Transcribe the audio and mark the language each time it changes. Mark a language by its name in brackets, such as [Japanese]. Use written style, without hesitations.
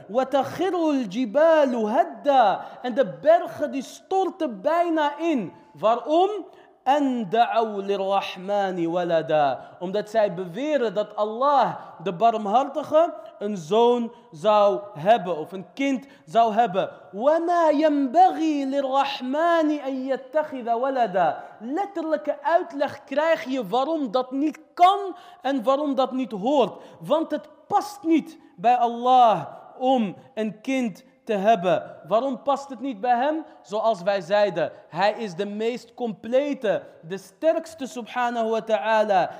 [Dutch] Wat een girul jibalu hadda. En de bergen die storten bijna in. Waarom? [Arabic] أن دعوا للرحمن ولدا. [Dutch] Um dat zij beweren dat Allah de barmhartige een zoon zou hebben of een kind zou hebben. [Arabic] وما ينبغي للرحمن أن يتخذ ولدا. [Dutch] Letterlijke uitleg krijg je waarom dat niet kan en waarom dat niet hoort. Want het past niet bij Allah om een kind te hebben. Waarom past het niet bij hem? Zoals wij zeiden, hij is de meest complete, de sterkste subhanahu wa ta'ala.